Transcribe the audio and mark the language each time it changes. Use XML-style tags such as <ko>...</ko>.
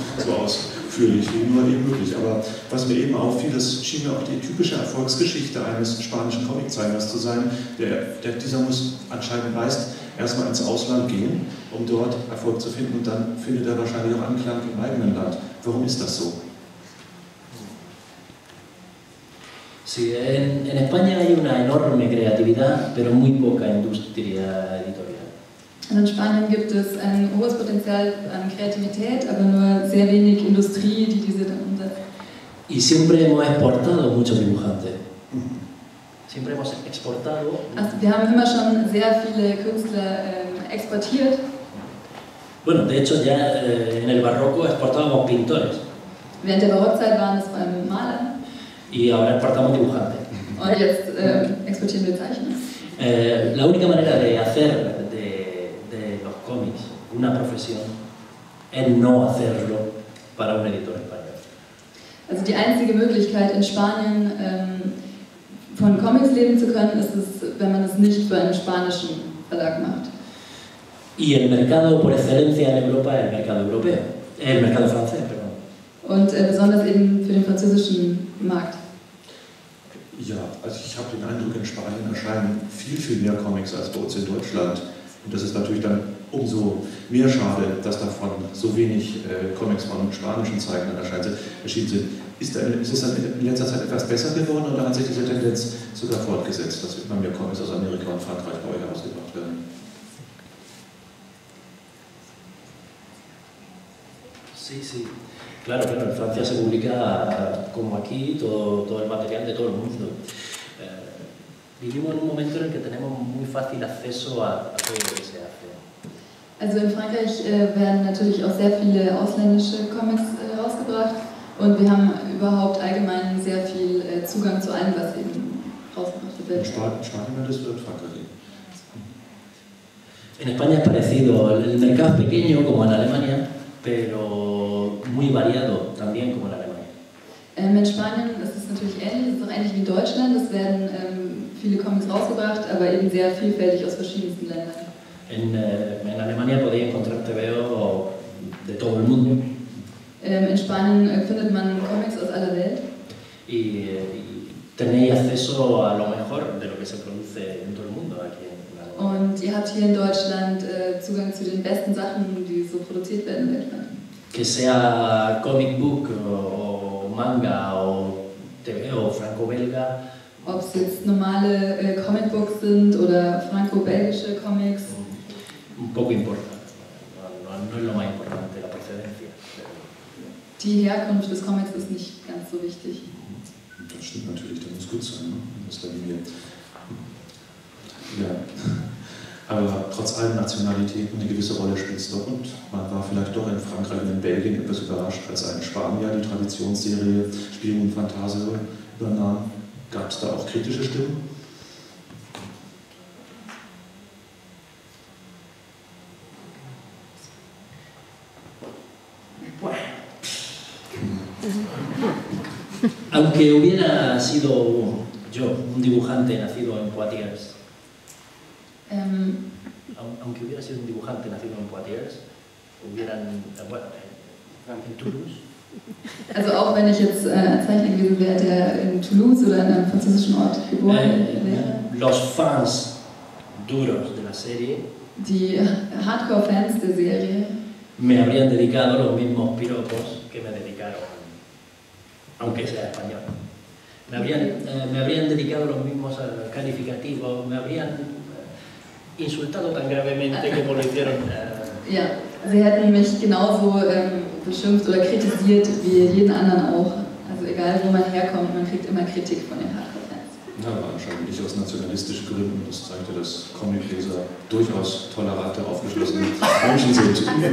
<de>So ausführlich wie nur eben möglich. Aber was mir eben auffiel, das schien mir auch die typische Erfolgsgeschichte eines spanischen Comiczeichners zu sein. Dieser muss anscheinend meist erstmal ins Ausland gehen, um dort Erfolg zu finden. Und dann findet er wahrscheinlich auch Anklang im eigenen Land. Warum ist das so?</de> <es>Sí, en España hay una enorme creatividad, pero muy poca industria editorial. En España</es> <de>gibt es ein hohes Potenzial an Kreativität, aber nur sehr wenig Industrie, die diese dann umsetzt.</de> <es>Y siempre hemos exportado muchos dibujantes. Siempre hemos exportado.</es> <de>Also, wir haben immer schon sehr viele Künstler exportiert.</de> <es>Bueno, de hecho ya en el barroco exportábamos pintores.</es> <de>Während der Barockzeit waren es vor allem Maler.</de> <es>Y ahora exportamos dibujantes.</es> <de>Und jetzt exportieren wir Zeichner.</de> <es>La única manera de hacer de los cómics una profesión es no hacerlo para un editor español.</es> <de>Also die einzige Möglichkeit in Spanien von Comics leben zu können, ist es, wenn man es nicht für einen spanischen Verlag macht.</de> <es>Y el mercado por excelencia en Europa es el mercado europeo, el mercado francés, perdón.</es> <de>Und besonders eben für den französischen Markt. Ja, also ich habe den Eindruck, in Spanien erscheinen viel, viel mehr Comics als bei uns in Deutschland. Und das ist natürlich dann umso mehr schade, dass davon so wenig Comics von spanischen Zeichnern erschienen sind. Ist das in letzter Zeit etwas besser geworden oder hat sich diese Tendenz sogar fortgesetzt, dass immer mehr Comics aus Amerika und Frankreich bei euch ausgebracht werden?</de> <es>Sí, sí. Claro, bueno, en Francia se publica como aquí todo el material de todo el mundo. Vivimos en un momento en el que tenemos muy fácil acceso a todo lo que se hace.</es> <de>Also in Frankreich werden natürlich auch sehr viele ausländische Comics rausgebracht und wir haben überhaupt allgemein sehr viel Zugang zu allem, was eben rausgebracht wird. In Spanien wird es in Frankreich.</de> <es>En España es parecido. El mercado es pequeño como en Alemania. Pero muy variado, también como en Alemania.</es> <de>In Spanien ist es natürlich ähnlich, es ist auch ähnlich wie in Deutschland. Es werden viele Comics rausgebracht, aber eben sehr vielfältig aus verschiedensten Ländern.</de> <es>En Alemania podéis encontrar TVO de todo el mundo.</es> <de>In Spanien findet man Comics aus aller Welt.</de> <es>Y tenéis acceso a lo mejor de lo que se produce en todo el mundo aquí.</es> <de>Und ihr habt hier in Deutschland Zugang zu den besten Sachen, die so produziert werden weltweit.</de> <es>Que sea Comicbook</es> <de>oder Manga oder TV oder</de> <es>Franco-Belga.</es> <de>Ob es jetzt normale Comicbooks sind oder franco-belgische Comics.</de> <es>Un poco importante. No es lo más importante, la procedencia.</es> <de>Die Herkunft des Comics ist nicht ganz so wichtig. Das stimmt natürlich, das muss gut sein, ne? Das dann hier. Ja, aber trotz allen Nationalitäten eine gewisse Rolle spielt es doch und man war vielleicht doch in Frankreich und in Belgien etwas überrascht, als ein Spanier die Traditionsserie Spion und Fantasio übernahm. Gab es da auch kritische Stimmen?</de> <es>Aunque hubiera sido yo un dibujante nacido en Poitiers. Aunque hubiera sido un dibujante nacido en Poitiers, hubieran, bueno, en Toulouse.</es> <de>Also auch wenn ich jetzt Zeichner gewesen wäre, der in Toulouse oder in einem französischen Ort geboren wäre.</de> <es>Los fans duros de la serie.</es> <de>Die Hardcore-Fans der Serie.</de> <es>Me habrían dedicado los mismos piropos que me dedicaron, aunque sea español. Me habrían dedicado los mismos calificativos, me habrían insultado tan gravemente como lo hicieron.</es> <de>Ja, sie hätten mich genauso beschimpft oder kritisiert wie jeden anderen auch. Also egal wo man herkommt, man kriegt immer Kritik von den Hardcore-Fans. Ja, aber anscheinend nicht aus nationalistischen Gründen. Das zeigt ja, dass Comic-Leser durchaus tolerante, aufgeschlossene Menschen sind.</de>